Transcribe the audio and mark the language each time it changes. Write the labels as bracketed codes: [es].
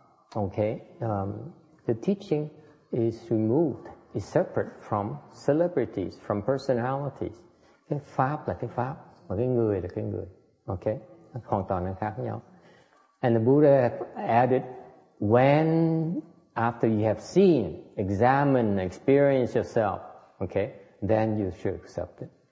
[en] The teaching is removed, is separate from celebrities, from personalities. [vi] Cái pháp là cái pháp, mà cái người là cái người. Okay, hoàn toàn là khác nhau. [en] And the Buddha added, when after you have seen, examined, experienced yourself, okay, then you should accept it.